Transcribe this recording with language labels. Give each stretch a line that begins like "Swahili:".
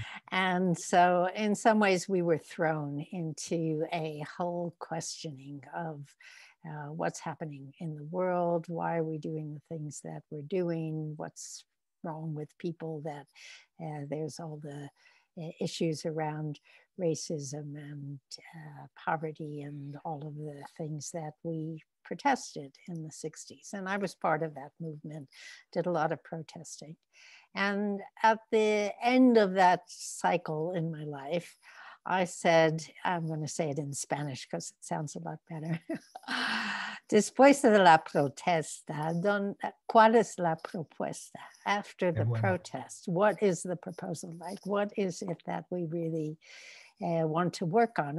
English: And so in some ways we were thrown into a whole questioning of what's happening in the world, why are we doing the things that we're doing, what's wrong with people, that there's all the issues around racism and poverty and all of the things that we protested in the 60s. And I was part of that movement, did a lot of protesting. And at the end of that cycle in my life, I said, I'm going to say it in Spanish because it sounds a lot better.
Spanish: Después de la protesta, ¿cuál es la propuesta?
English: After the protest, what is the proposal like? What is it that we really want to work on?